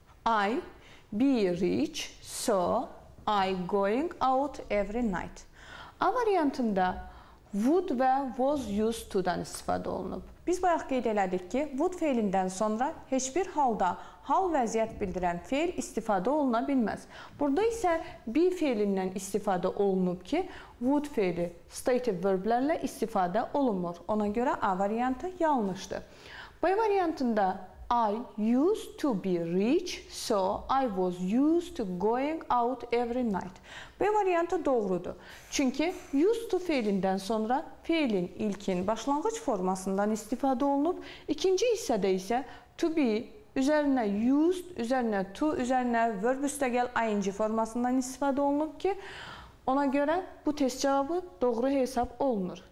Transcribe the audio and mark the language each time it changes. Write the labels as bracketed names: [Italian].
[English] I be rich, so I going out every night. [Azerbaijani] A variantında would və was used to-dan istifadə olunub. Biz bayaq qeyd elədik ki, would fiilindən sonra heç bir halda hal vəziyyət bildirən fiil istifadə oluna bilməz. Burada isə be fiilindən istifadə olunub ki, would fiili stative verblərlə istifadə olunmur. Ona görə A variantı yanlışdır. B variantında [English] I used to be rich, so I was used to going out every night. [Azerbaijani] B variantı doğrudur. Çünki used to fiilindən sonra fiilin ilkin başlanğıc formasından istifadə olunub, ikinci hissədə isə to be üzərinə used, üzərinə to, üzərinə verb üstəgəl ing formasından istifadə olunub ki, ona görə bu test cavabı doğru hesab olunur.